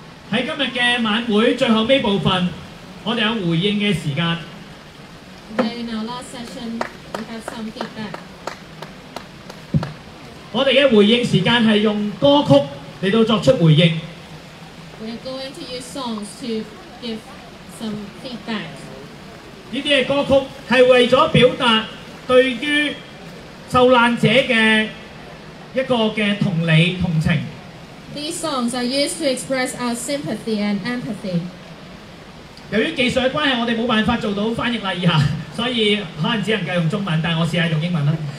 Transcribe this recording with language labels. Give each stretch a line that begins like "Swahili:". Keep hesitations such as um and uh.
Cantonese: 在今天的晚会最后这部分我哋有回应嘅时间。
English: Then okay, in our last session, we have some feedback.
Cantonese: 我哋嘅回应时间系用歌曲嚟到作出回应。
English: We are going to use songs to give some feedback.
Cantonese: 呢啲嘅歌曲系为咗表达对于受难者嘅一个嘅同理同情。
English: These songs are used to express our sympathy and empathy.
Cantonese: 由於技術嘅關係，我哋冇辦法做到翻譯啦，以下，所以可能只能夠用中文，但係我試下用英文啦。